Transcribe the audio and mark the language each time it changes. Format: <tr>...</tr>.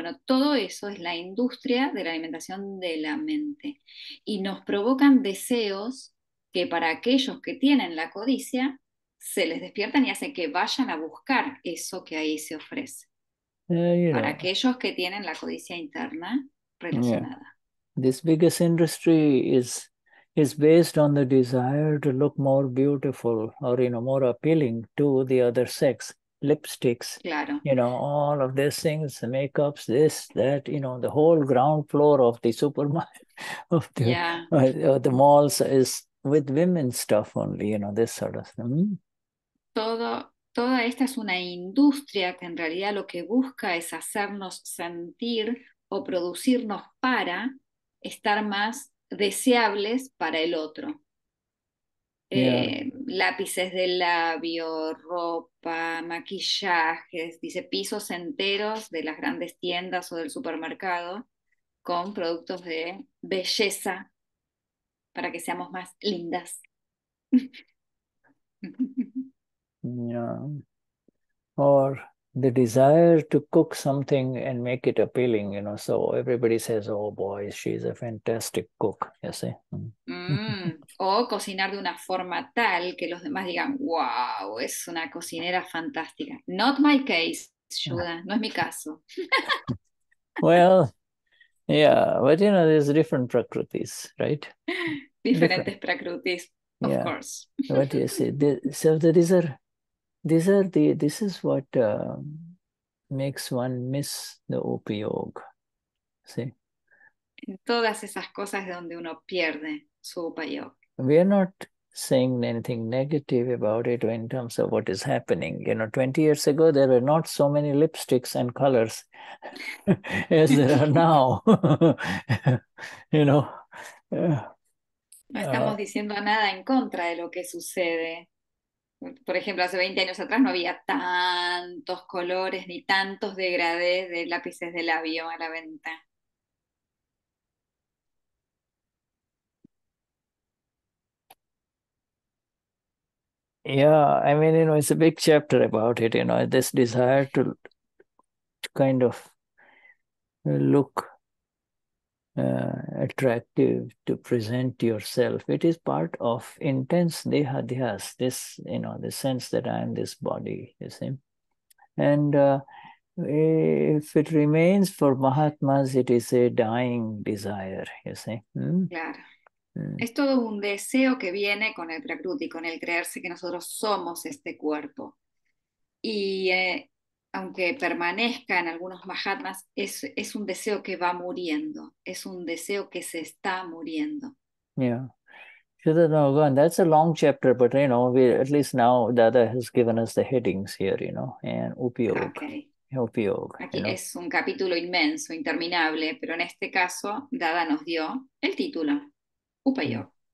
<es>Bueno, todo eso es la industria de la alimentación de la mente. Y nos provocan deseos que para aquellos que tienen la codicia, se les despiertan y hacen que vayan a buscar eso que ahí se ofrece. Para aquellos que tienen la codicia interna relacionada.</es> <en>Yeah. This biggest industry is based on the desire to look more beautiful, or, you know, more appealing to the other sex. Lipsticks,</en> <es>claro.</es> <en>You know, all of these things, the makeups, this, that, you know, the whole ground floor of the supermarket, of the, the malls is with women's stuff only, you know, this sort of thing.</en> <es>Toda esta es una industria que en realidad lo que busca es hacernos sentir o producirnos para estar más deseables para el otro. Lápices de labio, ropa, maquillajes, dice pisos enteros de las grandes tiendas o del supermercado con productos de belleza para que seamos más lindas.</es> <en>Yeah. Or the desire to cook something and make it appealing, you know, so everybody says, oh boy, she's a fantastic cook, you see.</en> <es>O cocinar de una forma tal que los demás digan, wow, es una cocinera fantástica.</es> <en>Not my case,</en> <es>Shuddha, no es mi caso.</es> <en>Well, yeah, but you know, there's different prakrutis, right?</en> <es>Diferentes prakrutis,</es> <en>of course. What do you say? So there is a... These are the. This is what makes one miss the upayog. See.</en> <es>En todas esas cosas de donde uno pierde su upayog.</es> <en>We are not saying anything negative about it in terms of what is happening. You know, 20 years ago there were not so many lipsticks and colors as there are now. You know.</en> <es>No estamos diciendo nada en contra de lo que sucede. Por ejemplo, hace 20 años atrás no había tantos colores ni tantos degradés de lápices de labio a la venta.</es> <en>Yeah, I mean, you know, it's a big chapter about it, you know, this desire to kind of look attractive, to present yourself. It is part of intense deha dhyas, this, you know, the sense that I am this body, you see. And if it remains for Mahatmas, it is a dying desire, you see.</en> <es>Claro. Es todo un deseo que viene con el prakruti, con el creerse que nosotros somos este cuerpo. Y aunque permanezca en algunos mahatmas, es un deseo que va muriendo, es un deseo que se está muriendo.</es> <en>Yeah. Shuddha, no, go on. That's a long chapter, but you know, we at least now Dada has given us the headings here, you know, and upyog. Okay. Upyog.</en> <es>Aquí es un capítulo inmenso, interminable, pero en este caso Dada nos dio el título, upyog.</es>